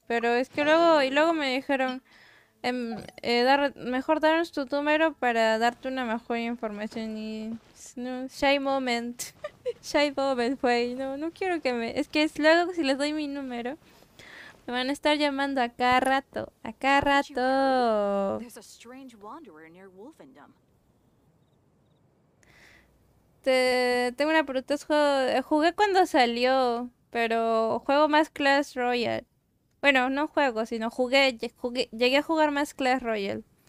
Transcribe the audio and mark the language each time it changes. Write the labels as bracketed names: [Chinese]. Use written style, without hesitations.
[Spanish] Pero es que luego. Y luego me dijeron. Mejor darnos tu número para darte una mejor información. Y. No, [English] shy moment. Shy moment, [Spanish] güey. No, no quiero que me. Es que es luego si les doy mi número. Me van a estar llamando a cada rato. A cada rato. [English] There's a strange wanderer near Wolfendom. [Spanish] Tengo una pregunta, jugué cuando salió, pero juego más Clash Royale. Bueno, no juego, sino llegué a jugar más Clash Royale.